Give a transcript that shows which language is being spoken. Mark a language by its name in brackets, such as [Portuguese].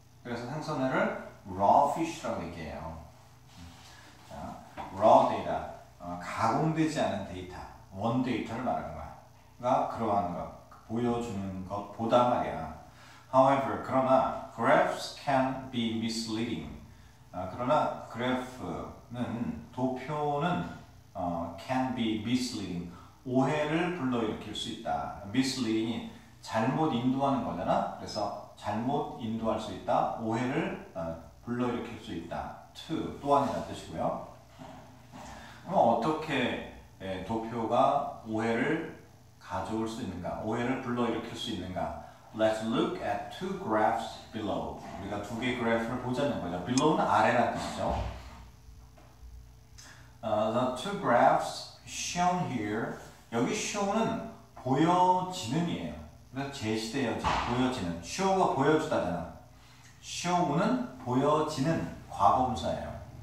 [Korean] 그래서 생선회를 raw fish라고 얘기해요. 자, raw data, 가공되지 않은 데이터, 원 데이터를 말하는 거야. 그러한 것, 보여주는 것보다 말이야. [English] However, [Korean] 그러나 [English] graphs can be misleading. [Korean] 그러나 graph는 도표는 [English] can be misleading. [Korean] 오해를 불러일으킬 수 있다. misleading이 잘못 인도하는 거잖아. 그래서 잘못 인도할 수 있다. 오해를 불러일으킬 수 있다. to 또한이라는 뜻이고요. 그럼 어떻게 도표가 오해를 가져올 수 있는가? 오해를 불러일으킬 수 있는가? [English] Let's look at two graphs below. [Korean] 우리가 두 개의 그래프를 보자는 거죠. below는 아래라는 뜻이죠. [English] The two graphs shown here. [Korean] 여기 show는 보여지는 이에요. 그래서 제시되어 보여지는. show가 보여주다잖아. show는 보여지는 과거분사예요.